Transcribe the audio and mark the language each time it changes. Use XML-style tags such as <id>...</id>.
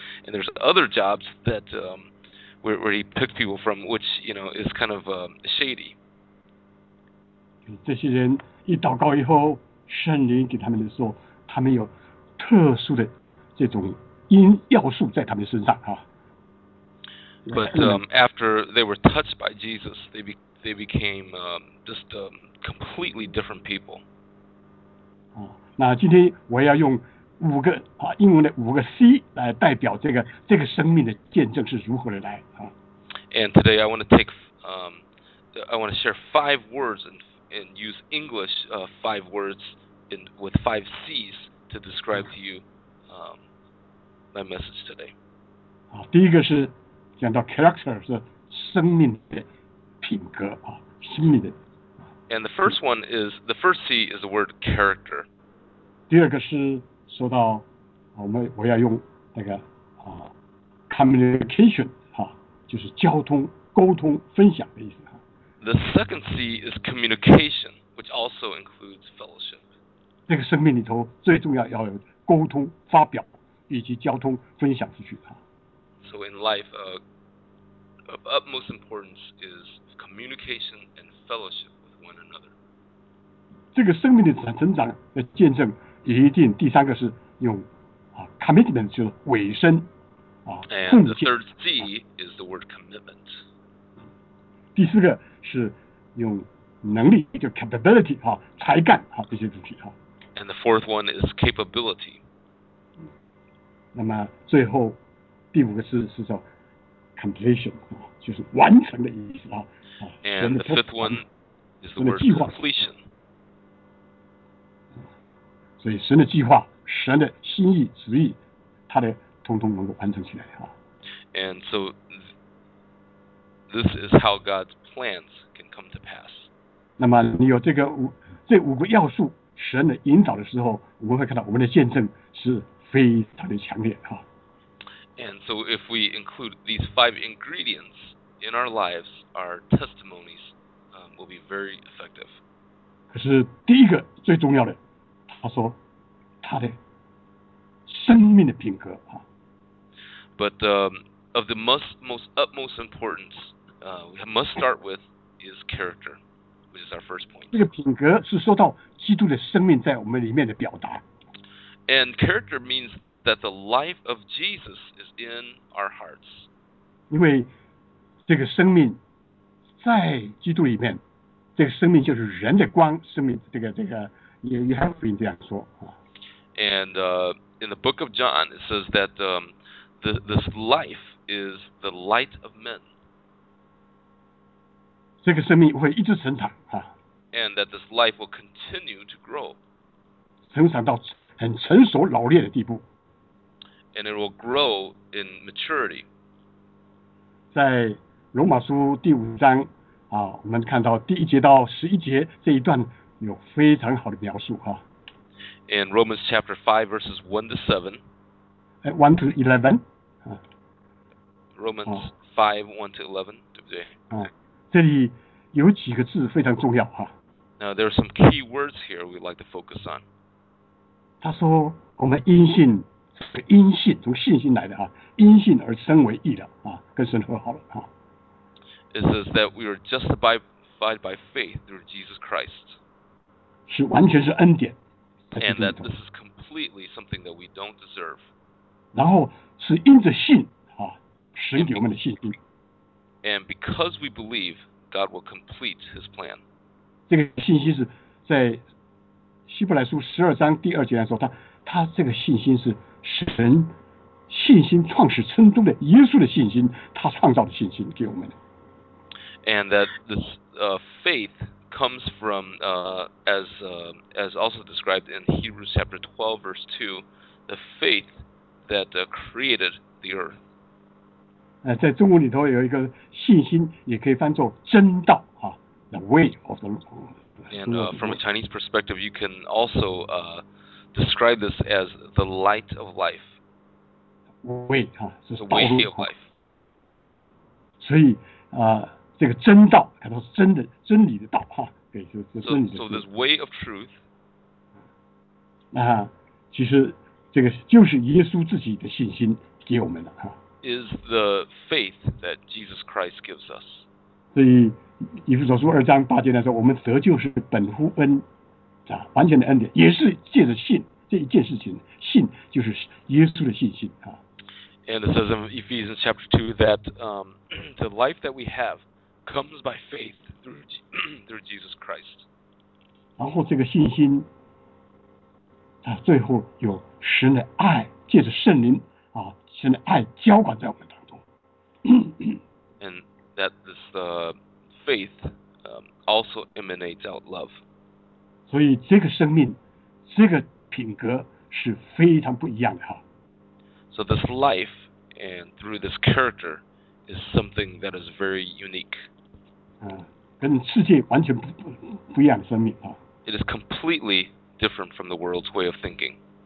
<en>And there's other jobs that where he picked people from, which you know is kind of shady.</en> <zh>这些人一祷告以后，圣灵给他们的时候，他们有特殊的这种因要素在他们身上啊。</zh> <en>But after they were touched by Jesus, they became completely different people.</en> <zh>那今天我要用五个啊英文的五个 C 来代表这个生命的见证是如何的来啊。</zh> <en>And today I want to take I want to share five words and use English five words in with five C's to describe to you. My message today.</en> <zh>第一个是讲到 character 是生命的品格啊，生命的。</zh> <en>And the first one is the first C is the word character.</en> <zh>第二个是说到我要用那个communication 哈，就是交通、沟通、分享的意思哈。</zh> <en>The second C is communication, which also includes fellowship.</en> <zh>这个生命里头最重要要有沟通、发表以及交通、分享出去。</zh> <en>So in life, of utmost importance is communication and fellowship with one another.</en> <zh>这个生命的成长的见证，一定第三个是用commitment 就是尾声。</zh> <en>And the third C is the word commitment.</en> <zh>第四个是用能力，就 capability 啊，才干啊，这些东西啊。</zh> <en>And the fourth one is capability.</en> <zh>那么最后第五个字是叫 completion 啊，就是完成的意思啊。</zh> <en>And the fifth one is the word completion.</en> <zh>所以神的计划、神的心意、旨意，他的通通能够完成起来啊。</zh> <en>And so this is how God's plans can come to pass.</en> <zh>那么你有这个这五个要素，神的引导的时候，我们会看到我们的见证是非常的强烈啊。</zh> <en>And so if we include these five ingredients in our lives, our testimonies will be very effective.</en> <zh>可是第一个最重要的，他说他的生命的品格啊。</zh> <en>But of the most utmost importance, we must start with is character, which is our first point.</en> <zh>这个品格是说到基督的生命在我们里面的表达。</zh> <en>And character means that the life of Jesus is in our hearts.</en> <zh>因为这个生命在基督里面，这个生命就是人的光。生命这个约翰福音这样说。</zh> <en>And in the book of John, it says that this life is the light of men.</en> <zh>这个生命会一直成长啊。</zh> <en>And that this life will continue to grow.</en> <zh>成长到很成熟老练的地步。</zh> <en>And it will grow in maturity.</en> <zh>在罗马书第五章啊，我们看到第一节到十一节这一段有非常好的描述啊。</zh> <en>In Romans chapter 5 verses 1 to 7. 1 to 11. Romans 5, 1 to 11,</en> <zh>对不对？这里有几个字非常重要啊。</zh> <en>Now there are some key words here we'd like to focus on.</en> <zh>他说我们因信，因信，从信心来的啊，因信而称为义的啊，跟神和好了啊。</zh> <en>It says that we are justified by faith through Jesus Christ.</en> <zh>是完全是恩典。</zh> <en>And that this is completely something that we don't deserve.</en> <zh>然后是因着信啊，神给我们的信心。</zh> <en>And because we believe, God will complete His plan.</en> <zh>这个信心是在希伯来书十二章第二节来说，他这个信心是神信心创始成终的耶稣的信心，他创造的信心给我们的。</zh> <en>And that this faith. Comes from as also described in Hebrews chapter 12 verse 2, the faith that created the earth.</en> <zh>在中文里头有一个信心，也可以翻作真道啊 ，</zh> <en>the way of the. And from a Chinese perspective, you can also describe this as the light of life. Way</en> <zh>啊，是道路。</zh> <en>The way of life.</en> <zh>所以这个真道，它是真的真理的道哈。</zh> <en>So this way of truth,</en> <zh>那其实这个就是耶稣自己的信心给我们的哈。</zh> <en>Is the faith that Jesus Christ gives us.</en> <zh>所以以弗所书二章八节来说，我们得救是本乎恩，啊，完全的恩典，也是借着信这一件事情，信就是耶稣的信心啊。</zh> <en>And it says in Ephesians chapter 2 that the life that we have comes by faith through Jesus Christ.</en> <zh>然后这个信心，最后有神的爱，借着圣灵啊，神的爱浇灌在我们当中。</zh> <en>And that this faith also emanates out love.</en> <zh>所以这个生命，这个品格是非常不一样的哈。</zh> <en>So this life. And through this character is something that is very unique.</en> <zh>跟世界完全不一样的生命啊。</zh> <en>It is completely different from the world's way of thinking.</en>